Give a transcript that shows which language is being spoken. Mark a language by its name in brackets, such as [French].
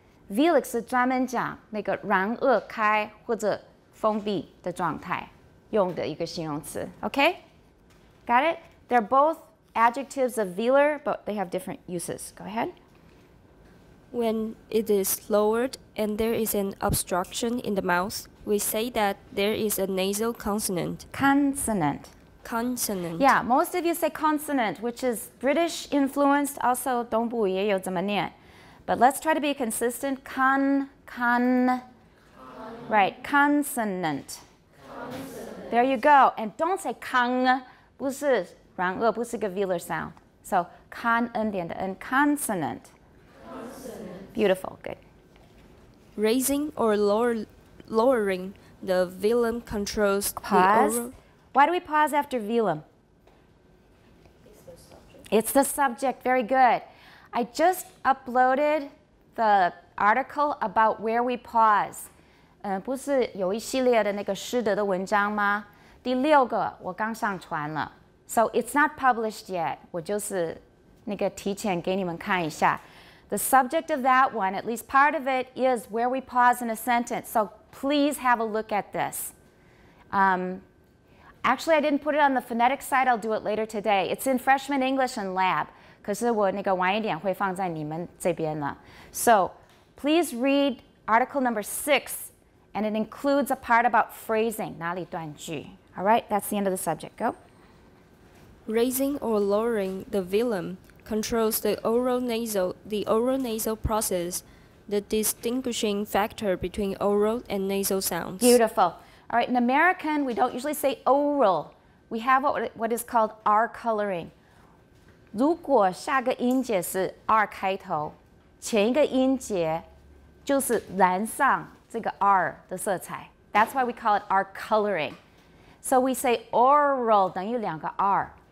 [Chinese] Velic 是专门讲那个软腭开或者封闭的状态用的一个形容词. [English] Okay? Got it? They're both adjectives of velar, but they have different uses. Go ahead. When it is lowered and there is an obstruction in the mouth, we say that there is a nasal consonant. Consonant. Consonant. Yeah, most of you say consonant, which is British influenced. Also, [Chinese] 东部也有这么念. [English] But let's try to be consistent. Con, con. Right, consonant. Consonant. There you go. And don't say kang, [Chinese] 不是软腭，不是个 [English] velar sound. So, con, and consonant. Consonant. Beautiful, good. Raising or lowering the velum controls pause. The oral. Why do we pause after velum? It's the subject, very good. I just uploaded the article about where we pause. [Chinese] 不是有一系列的那个师德的文章吗? 第六个我刚上传了. [English] So it's not published yet. [Chinese] 我就是那个提前给你们看一下. [English] The subject of that one, at least part of it, is where we pause in a sentence. So please have a look at this. Actually, I didn't put it on the phonetic side. I'll do it later today. It's in Freshman English and Lab. [Chinese] 可是我那个晚一点会放在你们这边了. [English] So please read article number 6, and it includes a part about phrasing. [Chinese] 哪里断句? [English] All right, that's the end of the subject. Go. Raising or lowering the velum controls the oral nasal process, the distinguishing factor between oral and nasal sounds. Beautiful. All right, in American, we don't usually say oral. We have what is called R coloring. [Chinese] 如果下个音节是R开头，前一个音节就是染上这个R的色彩. [English] That's why we call it R coloring. So we say oral [Chinese] 等于两个R.